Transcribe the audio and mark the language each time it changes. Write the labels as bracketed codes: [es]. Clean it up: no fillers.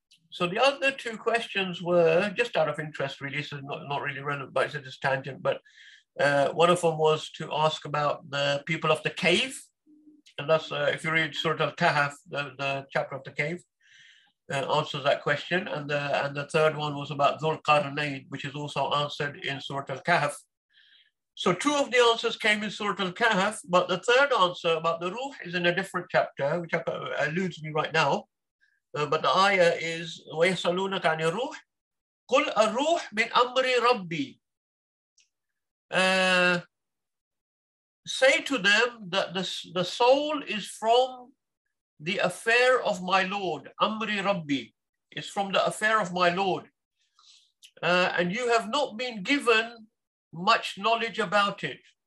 [en] So the other two questions were, just out of interest really, so not really relevant, but it's just tangent, but one of them was to ask about the people of the cave, and that's, if you read Surah Al-Kahf, the chapter of the cave, answers that question. And the third one was about Dhul-Qarnayn, which is also answered in Surah Al-Kahf. So two of the answers came in Surah Al-Kahf, but the third answer about the Ruh is in a different chapter, which eludes me right now. But the ayah is, [ar] وَيَسَلُونَكَ عَنِ الرُّوحِ قُلْ الرُّوحِ مِنْ أَمْرِ رَبِّي. [en] Say to them that the soul is from the affair of my Lord. Amri Rabbi is from the affair of my Lord. And you have not been given much knowledge about it.